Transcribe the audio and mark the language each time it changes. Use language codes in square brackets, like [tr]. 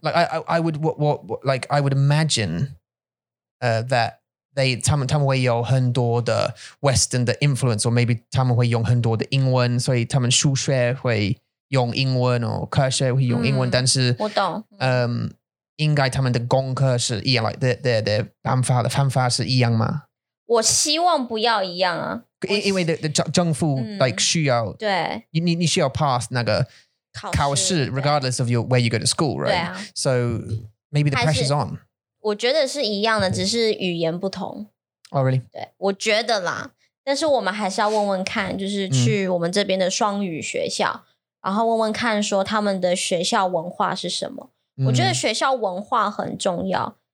[en] like I would imagine that they [zh] 他们会有很多的 [en] western [zh] 的 [en] influence or maybe [zh] 他们会用很多的英文 所以他们数学会用英文 or 科学会用英文 但是我懂 应该他们的功课是一样 [en] like their [zh] 方法是一样吗我希望不要一样啊。因为政府 [en] like [zh] 需要你需要 [en] pass [zh] 那个考试 [en] regardless of where you go to school, right? So maybe the pressure's on. [zh] 我觉得是一样的,只是语言不同。 [en] Oh, really? [zh] 对,我觉得啦,但是我们还是要问问看,就是去我们这边的双语学校,然后问问看说他们的学校文化是什么。我觉得学校文化很重要。